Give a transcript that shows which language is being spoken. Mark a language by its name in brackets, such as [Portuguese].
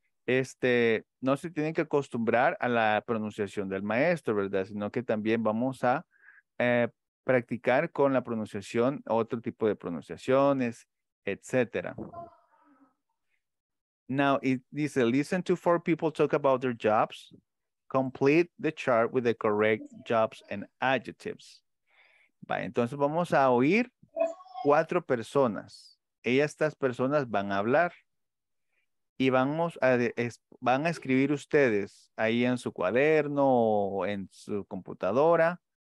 [Spanish] Este, no se tienen que acostumbrar a la pronunciación del maestro, ¿verdad? Sino que también vamos a practicar con la pronunciación, otro tipo de pronunciaciones, etc. [English] Now, it [Spanish] dice, [English] listen to four people talk about their jobs. Complete the chart with the correct jobs and adjectives. [Spanish] Va, entonces vamos a oír cuatro personas. Estas personas van a hablar y van a escribir ustedes ahí en su cuaderno o en su computadora.